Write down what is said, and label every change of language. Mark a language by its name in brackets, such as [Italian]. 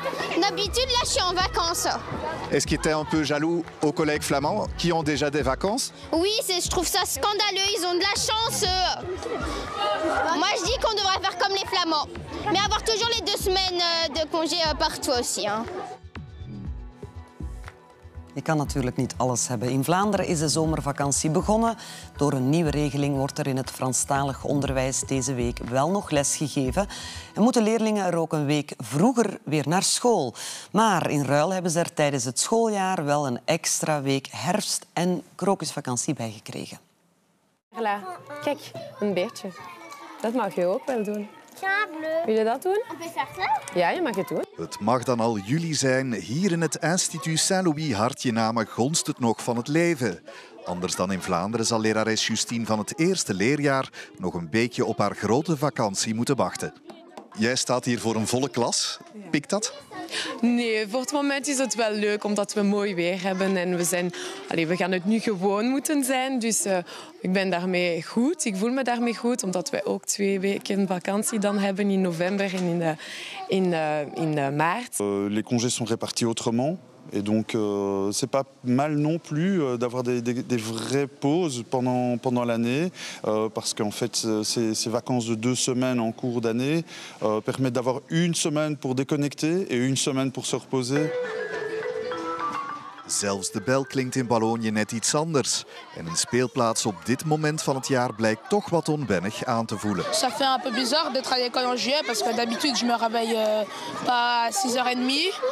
[French] D'habitude, là, je suis en vacances. Est-ce qu'ils étaient un peu jaloux aux collègues flamands qui ont déjà des vacances? Oui, je trouve ça scandaleux. Ils ont de la chance. Moi, je dis qu'on devrait faire comme les flamands. Mais avoir toujours les deux semaines de congé partout aussi. Hein. Je [Dutch] kan natuurlijk niet alles hebben. In Vlaanderen is de zomervakantie begonnen. Door een nieuwe regeling wordt er in het Franstalig onderwijs deze week wel nog les gegeven. En moeten leerlingen er ook een week vroeger weer naar school. Maar in ruil hebben ze er tijdens het schooljaar wel een extra week herfst- en krokusvakantie bijgekregen. Voilà. Kijk, een beertje. Dat mag je ook wel doen. Ja, wil je dat doen? Ja, je mag het doen. Het mag dan al juli zijn. Hier in het Instituut Saint-Louis Hartje Namen gonst het nog van het leven. Anders dan in Vlaanderen zal lerares Justine van het eerste leerjaar nog een beetje op haar grote vakantie moeten wachten. Jij staat hier voor een volle klas. Pikt dat? Nee, voor het moment is het wel leuk, omdat we mooi weer hebben. En we gaan het nu gewoon moeten zijn. Dus ik ben daarmee goed. Ik voel me daarmee goed, omdat wij ook 2 weken vakantie dan hebben in november en in maart. [French] Les congés sont répartis autrement. Et donc, c'est pas mal non plus d'avoir des vraies pauses pendant l'année, parce qu'en fait, ces vacances de 2 semaines en cours d'année permettent d'avoir 1 semaine pour déconnecter et 1 semaine pour se reposer. [Dutch] Zelfs de bel klinkt in Wallonië net iets anders. En een speelplaats op dit moment van het jaar blijkt toch wat onwennig aan te voelen. [French] Ça fait un peu bizarre d'être à l'école en juillet, parce que d'habitude je me réveille pas à 6h30.